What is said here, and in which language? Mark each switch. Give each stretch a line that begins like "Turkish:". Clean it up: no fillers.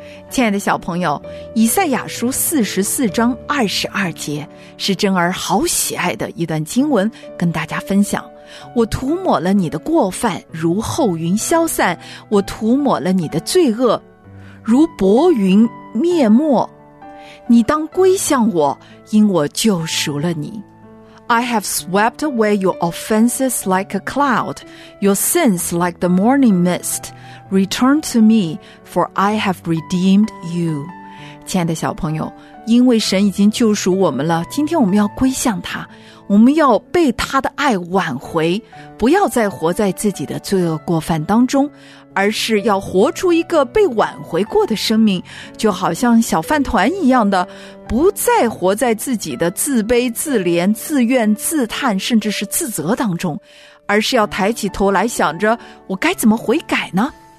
Chinese: 亲爱的小朋友，以赛亚书44:22是真儿好喜爱的一段经文，跟大家分享。我涂抹了你的过犯如厚云消散，我涂抹了你的罪恶如薄云灭没，你当归向我，因我救赎了你。
English: I have swept away your offenses like a cloud, your sins like the morning mist. Return to me, for I have redeemed you.
Chinese: 亲爱的小朋友，因为神已经救赎我们了，今天我们要归向他，我们要被他的爱挽回，不要再活在自己的罪恶过犯当中，而是要活出一个被挽回过的生命，就好像小饭团一样的，不再活在自己的自卑、自怜、自怨、自叹，甚至是自责当中，而是要抬起头来想着，我该怎么悔改呢？